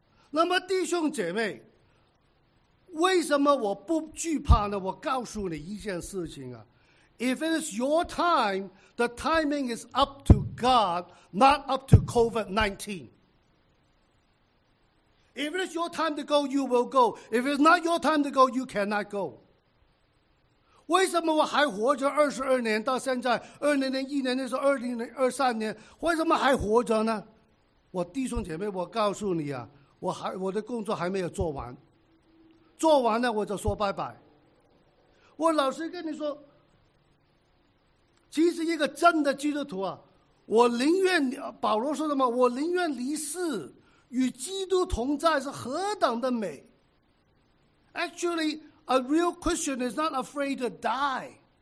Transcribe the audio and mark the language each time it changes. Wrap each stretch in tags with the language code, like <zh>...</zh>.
<zh>那么弟兄姐妹，为什么我不惧怕呢？我告诉你一件事情啊。</zh> <en>If it is your time, the timing is up to God, not up to COVID-19. If it is your time to go, you will go. If it is not your time to go, you cannot go.</en> <zh>为什么我还活着22年到现在2001年那时候2023年，为什么还活着呢？我弟兄姐妹，我告诉你啊，我的工作还没有做完，做完了我就说拜拜。我老实跟你说。其实一个真的基督徒啊，我宁愿，保罗说什么，我宁愿离世与基督同在是何等的美。</zh> <en>Actually, a real Christian is not afraid to die.</en>